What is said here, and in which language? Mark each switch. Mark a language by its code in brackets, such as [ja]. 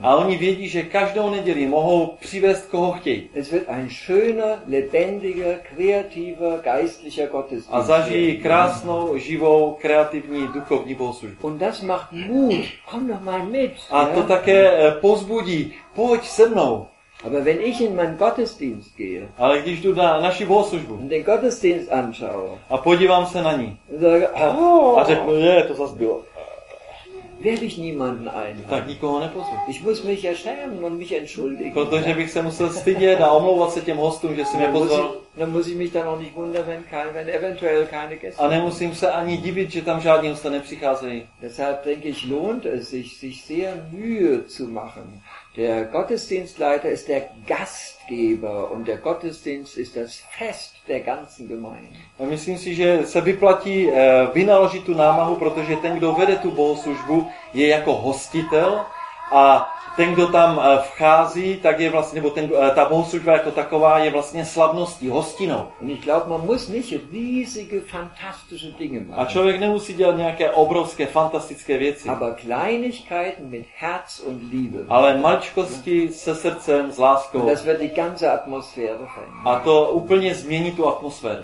[cs] A oni vědí, že každou neděli mohou přivést koho chtějí. [de] Es wird ein schöner, lebendiger, kreativer, geistlicher Gottesdienst. [cs] A zažijí krásnou, živou, kreativní, duchovní bohoslužbu. [de] Und das macht Mut. Komm doch mal mit. [cs] A to také pozbudí. Pojď se mnou. [de] Aber wenn ich in meinen Gottesdienst gehe. [cs] Ale když jdu na naši bohoslužbu. [de] Und den Gottesdienst anschaue. [cs] A podívám se na ní. A řeknu, je, to zas bylo. [de] Werde ich niemanden einladen. [cs] Tak nikoho nepozvu. [de] Ich muss mich ja schämen und mich entschuldigen. [cs] Protože bych se musel stydět a omlouvat se těm hostům, že jsi mě pozval. [de] Dann muss ich mich dann auch nicht wundern, wenn eventuell keine Gäste. [cs] A nemusím se ani divit, že tam žádní hosté nepřicházejí. [de] Deshalb denke ich, lohnt es sich, sich sehr Mühe zu machen. Der Gottesdienstleiter ist der Gastgeber und der Gottesdienst ist das Fest der ganzen Gemeinde. [cs] A myslím si, že se vyplatí vynaložit tu námahu, protože ten, kdo vede tu bohoslužbu, je jako hostitel a ten, kdo tam vchází, tak je vlastně, nebo ten, ta bohoslužba jako taková je vlastně slavností, hostinou. [de] Und ich glaube, man muss nicht riesige, fantastische Dinge machen. [cs] A člověk nemusí dělat nějaké obrovské, fantastické věci. [de] Aber Kleinigkeiten mit Herz und Liebe. [cs] Ale maličkosti se srdcem, s láskou. [de] Und das wird die ganze Atmosphäre verändern. [cs] A to úplně změní tu atmosféru.